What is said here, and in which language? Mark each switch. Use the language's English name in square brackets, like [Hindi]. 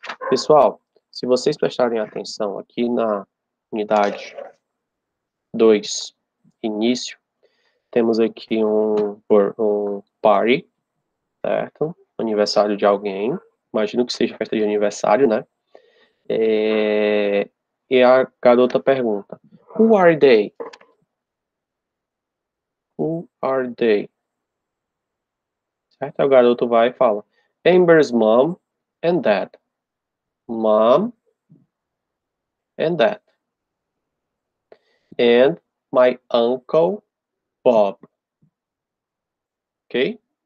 [Portuguese] Pessoal, se vocês prestarem atenção aqui na unidade 2, início, temos aqui um party, certo? Aniversário de alguém, imagino que seja festa de aniversário, né? E a garota pergunta: [English] Who are they? Who are they? [Portuguese] Certo? O garoto vai e fala: [English] Amber's mom and dad. Mom and dad. And my uncle Bob. Ok?